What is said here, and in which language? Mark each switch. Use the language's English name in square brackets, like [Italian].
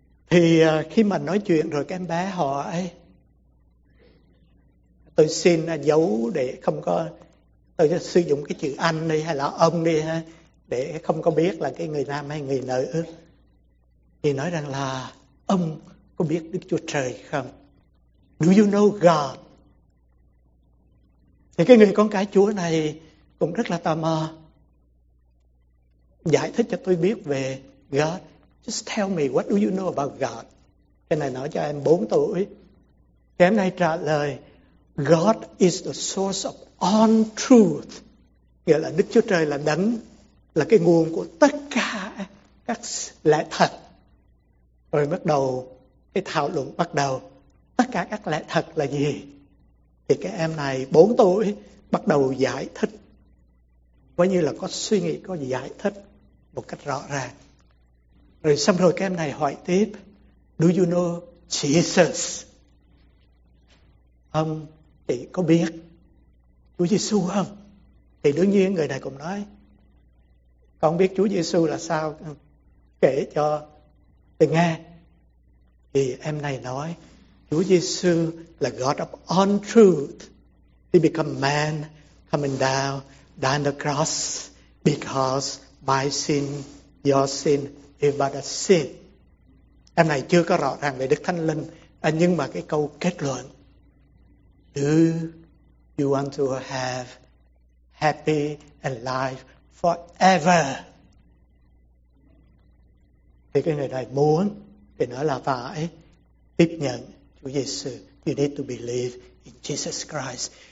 [Vietnamese] Thì khi mà nói chuyện rồi cái em bé hỏi, tôi xin giấu để không có, tôi sử dụng cái chữ anh đi hay là ông đi ha, để không có biết là cái người nam hay người nữ, thì nói rằng là ông có biết Đức Chúa Trời không? [English] Do you know God? [Vietnamese] Thì cái người con cái Chúa này cũng rất là tò mò. Giải thích cho tôi biết về God. [English] Just tell me, what do you know about God? [Vietnamese] Cái này nói cho em 4 tuổi. Thì em này trả lời, [English] God is the source of all truth. [Vietnamese] Nghĩa là Đức Chúa Trời là đấng, là cái nguồn của tất cả các lẽ thật. Rồi bắt đầu, cái thảo luận bắt đầu. Tất cả các lẽ thật là gì? Thì cái em này 4 tuổi bắt đầu giải thích, coi như là có suy nghĩ, có giải thích một cách rõ ràng. Rồi xong rồi cái em này hỏi tiếp, [English] do you know Jesus? [Vietnamese] Ông chị có biết Chúa Giê-xu không? Thì đương nhiên người này cũng nói, con biết Chúa Giê-xu là sao, kể cho tôi nghe. Thì em này nói, Chúa Giê-xu là [English] God of all truth. He become man, coming down, died on the cross, because my sin, your sin, is but a sin. [Vietnamese] Em này chưa có rõ ràng về Đức Thánh Linh, nhưng mà cái câu kết luận, [English] do you want to have happy and life forever? [Vietnamese] Thì cái người này muốn, thì nói là phải tiếp nhận Chúa Giê-xu, [English] you need to believe in Jesus Christ.